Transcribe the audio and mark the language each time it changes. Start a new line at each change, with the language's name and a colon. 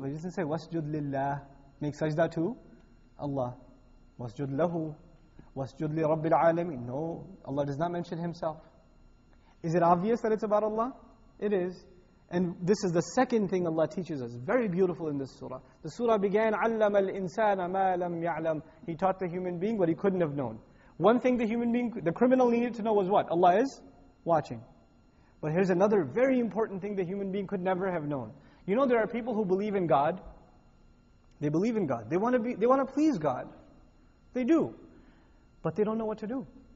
English: But he doesn't say, wasjud lillah. Make sajda to Allah. Wasjud lahu. Wasjud li rabbil alameen. No, Allah does not mention himself. Is it obvious that it's about Allah? It is. And this is the second thing Allah teaches us. Very beautiful in this surah. The surah began,
Arabic: عَلَّمَ الْإِنسَانَ مَا لَمْ يَعْلَمْ.
English: He taught the human being what he couldn't have known. One thing the human being, the criminal needed to know was what? Allah is watching. But here's another very important thing the human being could never have known. You know, there are people who believe in God. They believe in God. They want to please God. They do. But they don't know what to do.